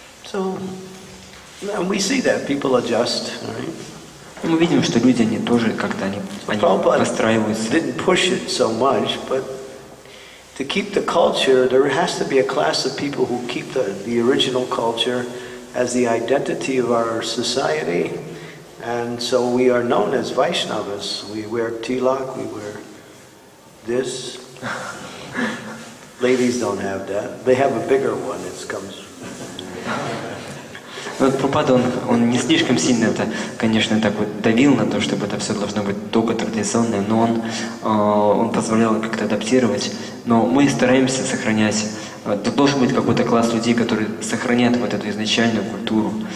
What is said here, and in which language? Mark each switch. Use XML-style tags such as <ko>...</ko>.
<en>So, and we see that people adjust, right?</en> <ru>Мы видим, что люди, они тоже как-то они подстраиваются.</ru> <en>Didn't push it so much, but to keep the culture, there has to be a class of people who keep the original culture as the identity of our society. And so we are known as Vaishnavas. We wear tilak, we wear this. Ladies don't have that. They have a bigger one. It comes.</en> <ru>Вот Прабхупада, он не слишком сильно это, конечно, так вот давил на то, чтобы это все должно быть только традиционное, но он позволял как-то адаптировать. Но мы стараемся сохранять. Тут должен быть какой-то класс людей, которые сохраняют вот эту изначальную культуру.</ru>